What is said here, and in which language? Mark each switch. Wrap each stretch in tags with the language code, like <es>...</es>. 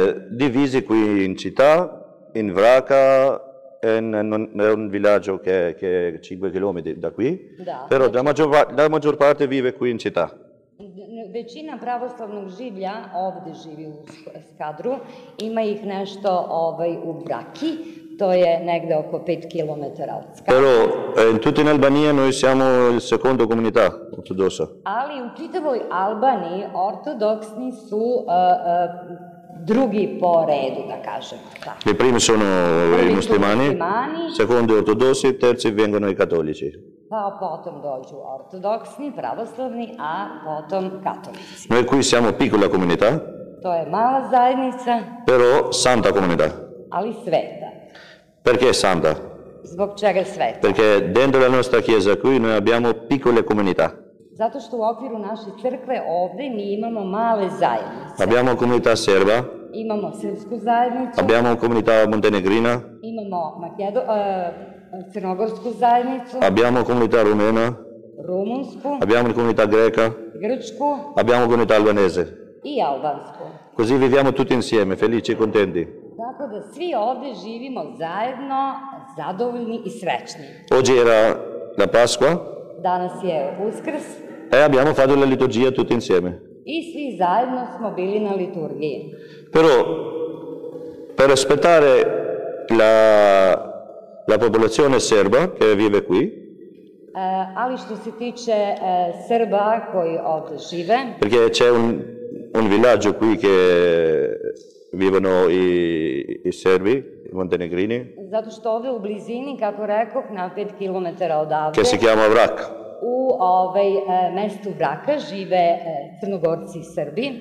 <it>Divisi qui in città, in Vraka, è un villaggio che è 5 km da qui, però la maggior parte vive qui in città.</it> <sr>Većina pravoslavnog življa ovde živi u Skadru, ima ih nešto u Vraki, to je negde oko 5 km od Skadru.</sr> <it>Però, in tutta in Albania noi siamo il secondo comunità ortodossa.</it> <sr>Ali u čitavoj Albaniji ortodoksni su drugi po redu, da kažem.</sr> <it>I primi sono i muslimani, secondo ortodossi, terzi vengono i cattolici.</it> <sr>Pa potom dođu ortodoksni, pravoslavni, a potom katolici.</sr> <it>Noi qui siamo piccola comunità.</it> <sr>To je mala zajednica.</sr> <it>Però santa comunità.</it> <sr>Ali sveta.</sr> <it>Perché santa?</it> <sr>Zbog čega sveta?</sr> <it>Perché dentro la nostra chiesa qui noi abbiamo piccole comunità.</it> <sr>Zato što u okviru naše crkve ovde mi imamo male zajednice.</sr> <it>Abbiamo comunità serba.</it> <sr>Imamo srpsku zajednicu.</sr> <it>Abbiamo comunità montenegrina.</it> <sr>Imamo crnogorsku zajednicu.</sr> <it>Abbiamo comunità rumena.</it> <sr>Rumunsku.</sr> <it>Abbiamo comunità greca.</it> <sr>Grčku.</sr> <it>Abbiamo comunità albanese.</it> <sr>I albansku.</sr> <it>Così viviamo tutti insieme, felici e contenti.</it> <sr>Tako da svi ovde živimo zajedno, zadovoljni i srećni.</sr> <it>Oggi era la Pasqua.</it> <sr>Danas je Uskrs.</sr> <it>E abbiamo fatto la liturgia tutti insieme. E sì,</it> <sr>zajedno smo bili na liturgiji.</sr> <it>Però, per aspettare la popolazione serba che vive qui,</it> <sr>ali što se tiče Srba koji ovde žive,</sr> <it>perché c'è un villaggio qui che vivono i Serbi, i Montenegrini,</it> <sr>zato što ovde u blizini, kako rekoh, na 5 km odavde,</sr> <it>che si chiama Vrak,</it> <sr>u mestu Vraka žive Crnogorci i Srbi.</sr>